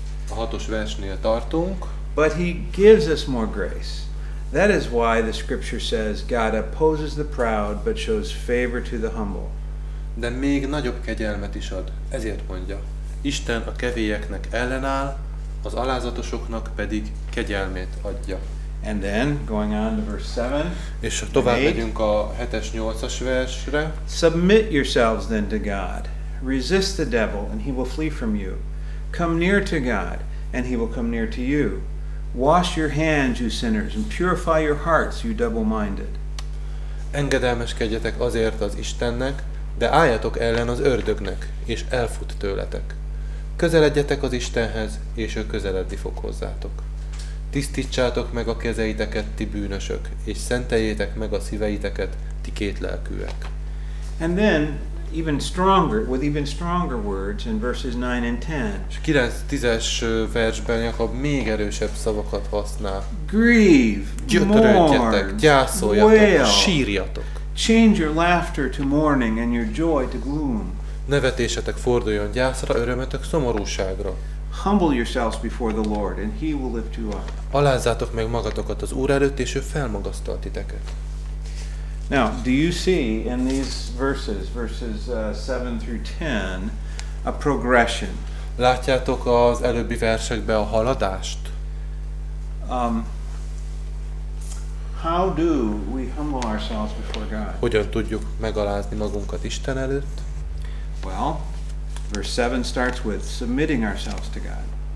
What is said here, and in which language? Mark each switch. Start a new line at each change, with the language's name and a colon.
Hungarian: A hatos versnél tartunk.
English: But he gives us more grace. That is why the scripture says, God opposes the proud, but shows favor to the humble.
Hungarian: De még nagyobb kegyelmet is ad, ezért mondja. Isten a kevélyeknek ellenáll, az alázatosoknak pedig kegyelmét adja.
English: And then going on to verse 7.
Hungarian: És tovább megyünk a 7-8-as versre.
English: Submit yourselves then to God. Resist the devil and he will flee from you. Come near to God and he will come near to you. Wash your hands, you sinners, and purify your hearts, you double-minded.
Hungarian: Engedelmeskedjetek azért az Istennek, de álljatok ellen az ördögnek, és elfut tőletek. Közeledjetek az Istenhez, és ő közeledni fog hozzátok. Tisztítsátok meg a kezeiteket, ti bűnösök, és szenteljétek meg a szíveiteket, ti kétlelkűek.
English: And then, even stronger, with even stronger words in verses 9 and 10.
Hungarian: És 9-10-es versben Jakab még erősebb szavakat használ.
English: Grieve, mourn,
Hungarian: gyászoljatok, sírjatok.
English: Change your laughter to mourning and your joy to gloom.
Hungarian: Nevetésetek forduljon gyászra, örömetek szomorúságra.
English: Humble yourselves before the Lord and he will lift you up.
Hungarian: Alázzátok meg magatokat az Úr előtt, és ő felmagasztalt titeket.
English: Now, do you see in these verses, verses 7 through 10, a progression?
Hungarian: Látjátok az előbbi versekben a haladást?
English: How do we humble ourselves before God?
Hungarian: Hogyan tudjuk megalázni magunkat Isten előtt?
English: Well, verse 7 starts with submitting ourselves to God.